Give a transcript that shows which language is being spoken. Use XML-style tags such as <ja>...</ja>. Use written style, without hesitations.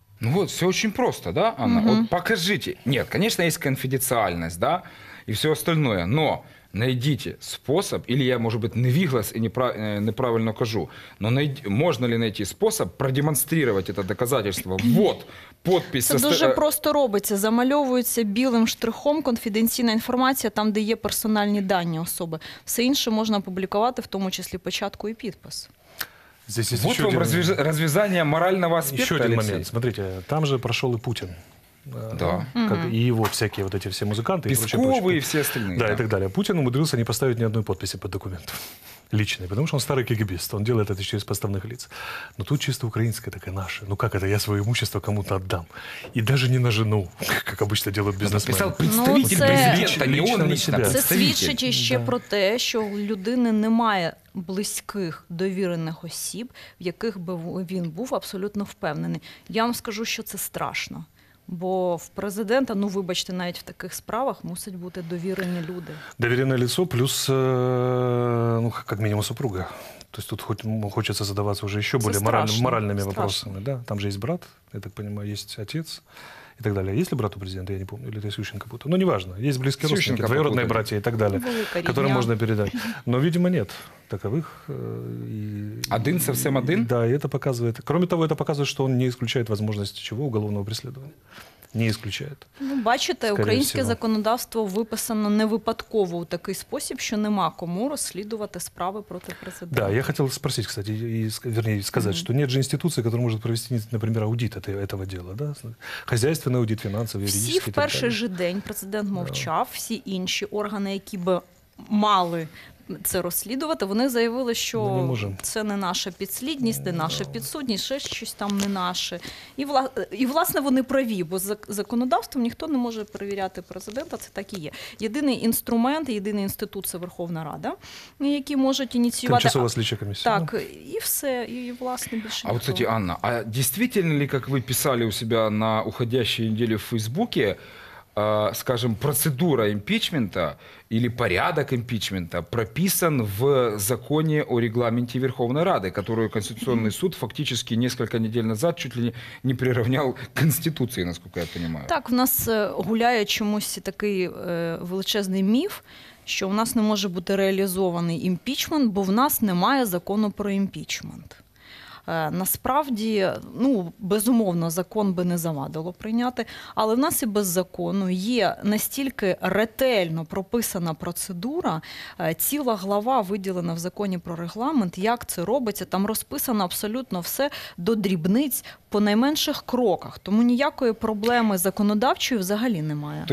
<ru>Ну вот, все очень просто, да, Анна? Угу. Вот покажите. Нет, конечно, есть конфиденциальность, да, и все остальное, но найдите способ, или я, может быть, невиглас и неправильно кажу, но можно ли найти способ продемонстрировать это доказательство? Вот, подпись.</ru> <uk>Це дуже просто робиться. Замальовується білим штрихом конфіденційна інформація там, де є персональні дані особи. Все інше можна опублікувати, в тому числі початку і підпис.</uk> <ru>Здесь есть вот еще вам один... развязание морального аспекта, еще один Алексей. Момент. Смотрите, там же прошел и Путин. Да. Как, угу. И его всякие вот эти все музыканты. Песковы и все остальные. Да, и так далее. Путин умудрился не поставить ни одной подписи под документом. Личный, потому что он старый кегибист, он делает это через подставных лиц. Но тут чисто украинское, такое наше. Ну как это, я свое имущество кому-то отдам? И даже не на жену, как обычно делают бизнесмены. Писал представитель президента, не он лично. Это свидетельствует еще про то,</ru> <uk>что у людини немає близьких довірених осіб, в яких би він був абсолютно впевнений. Я вам скажу, що це страшно. Бо в президента, ну вибачте, навіть в таких справах мусять бути довірені люди. Довірене лицо плюс, ну, як мінімум, супруга. Тобто тут хочеться задаватися вже ще більш моральними питаннями. Да? Там же є брат, я так розумію, є отець.</uk> <ru>И так далее. Есть ли брат у президента, я не помню, или это Сющенко будто. Ну, неважно. Есть близкие родственники, твои родные братья и так далее, которым можно передать. Но, видимо, нет. таковых. Один совсем один? Да, и это показывает. Кроме того, это показывает, что он не исключает возможность чего? Уголовного преследования. Не исключает.</ru> <uk>Ну, бачите, українське законодавство виписано не випадково у такий спосіб, що нема кому розслідувати справи проти президента.</uk> <ru>Да, я хотел спросить, кстати, и, вернее, сказать, что нет же институции, которая может провести, например, аудит этого дела, да? Хозяйственный аудит, финансовый, юридический.</ru> <uk>Всі в перший же день президент мовчав, всі інші органи, які би мали це розслідувати, вони заявили, що це не наша підслідність, не наша підсудність, ще щось там не наше. І, власне, вони праві, бо законодавством ніхто не може перевіряти президента, це так і є. Єдиний інструмент, єдиний інститут – це Верховна Рада, який можуть ініціювати… Тимчасова слідча комісія. Так, і все, і власне, більше ніхто.</uk> <ru>А от, кстати, Анна, а дійсно ли,</ru> <uk>як ви писали у себе на уходящій неділі в Фейсбуці,</uk> <ru>скажем, процедура импичмента или порядок импичмента прописан в законе о регламенте Верховной Рады, которую Конституционный суд фактически несколько недель назад чуть ли не приравнял к Конституции, насколько я понимаю.</ru> <uk>Так, у нас гуляє чомусь такий величезний міф, що у нас не може бути реалізований імпічмент, бо в нас немає закону про імпічмент. Насправді, ну, безумовно, закон би не завадило прийняти, але в нас і без закону є настільки ретельно прописана процедура, ціла глава виділена в законі про регламент, як це робиться, там розписано абсолютно все до дрібниць по найменших кроках, тому ніякої проблеми законодавчої взагалі немає.</uk>